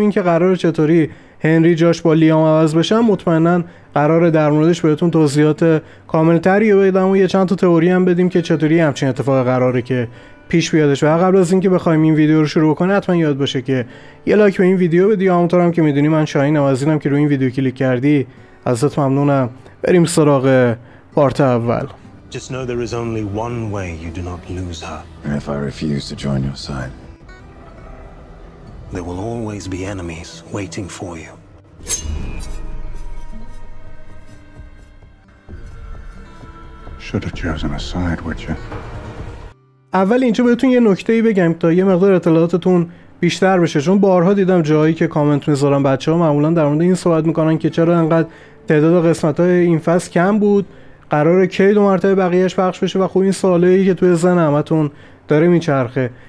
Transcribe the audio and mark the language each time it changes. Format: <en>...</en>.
<fa>این که قراره چطوری هنری جاش با لیام عوض بشه هم مطمئنن قراره در موردش بهتون توضیحات کامل تری بدم و یه چند تا تئوری هم بدیم که چطوری همچین اتفاق قراره که پیش بیادش. و قبل از اینکه بخوایم این ویدیو رو شروع کنیم حتما یاد باشه که یه لایک به این ویدیو بدی. همونطورم که میدونی من شاهین عزیزم که روی این ویدیو کلیک کردی ازت ممنونم. بریم سراغ پارت اول.</fa> <en>Just know there is only one way you do not lose her. And if I refuse to join your side, there will always be enemies waiting for you. Should have chosen a side, Witcher.</en> <fa>اول اینجا بهتون یه نکته‌ای بگم تا یه مقدار اطلاعاتتون بیشتر بشه، چون بارها دیدم جایی که کامنت میذارم بچه‌ها معمولا در مورد این صحبت میکنن که چرا انقدر تعداد قسمت‌های این فصل کم بود، قراره کی دو مرتبه بقیه‌اش پخش بشه و خب این سوالیه که توی ذهن همتون داره میچرخه.</fa>